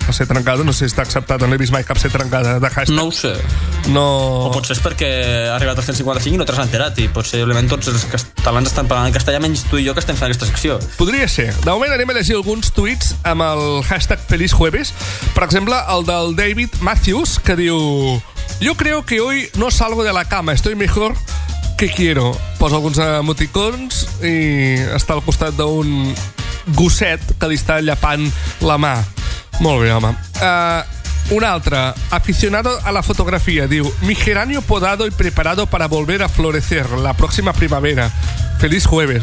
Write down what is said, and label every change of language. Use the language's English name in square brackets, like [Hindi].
[Catalan] La C trencada, no sé si està acceptat, no he vist mai cap C trencada de hashtag. No ho sé. No... O potser és perquè ha arribat el 155 i no t'has enterat, i potser òbviament tots els catalans estan parlant en castellà, menys tu i jo que estem fent aquesta secció. Podria ser. De moment anem a llegir alguns tuits amb el hashtag Feliz Jueves. Per exemple, el del David Matthews, que diu: [Spanish] "Yo creo que hoy no salgo de la cama, estoy mejor que quiero." [Catalan] Posa alguns emoticons i està al costat d'un gosset que li està llepant la mà. Molt bé, home. Un altre, aficionado a la fotografia, diu: [Spanish] "Mi geranio podado y preparado para volver a florecer la próxima primavera. Feliz Jueves."